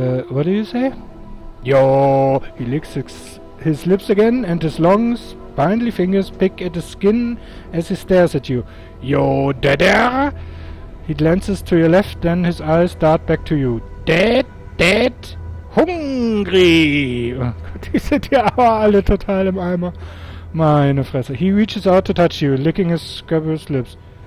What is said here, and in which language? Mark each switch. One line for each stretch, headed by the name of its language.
English: What do you say? Yo! He licks his lips again, and his long, spindly fingers pick at his skin as he stares at you. Yo, Dada! He glances to your left, then his eyes dart back to you. Dead, hungry!
German: Die sind ja aber alle total im Eimer. Meine Fresse.
English: He reaches out to touch you, licking his scabrous lips.